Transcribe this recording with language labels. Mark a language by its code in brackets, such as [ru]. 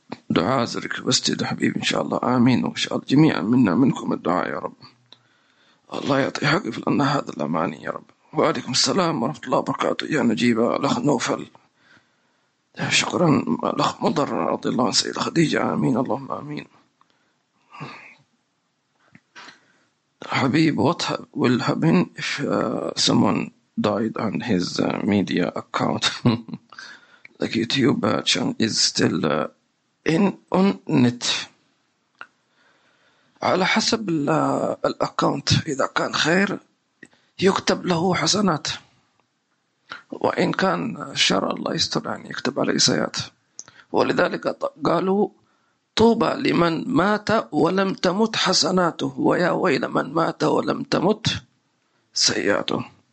[ar] دعاء زرك بستد حبيبي إن شاء الله آمين، وإن شاء الله جميعا منا منكم الدعاء يا رب. الله يعطي حقي في لأن هذا الأماني يا رب. وعليكم السلام ورحمة الله وبركاته يا نجيبة الأخ نوفل، شكرا الأخ مضر رضي الله عن سيدة خديجة آمين اللهم آمين. [en] حبيب what will happen if someone died on his media account like YouTube channel is still in on net. [ar] على حسب الأكاونت، إذا كان خير يكتب له حسنات، وإن كان شر الله يستر يعني يكتب عليه سيئات. ولذلك قالوا طوبى لمن مات ولم تمت حسناته ويا ويل من مات ولم تمت سيئاته.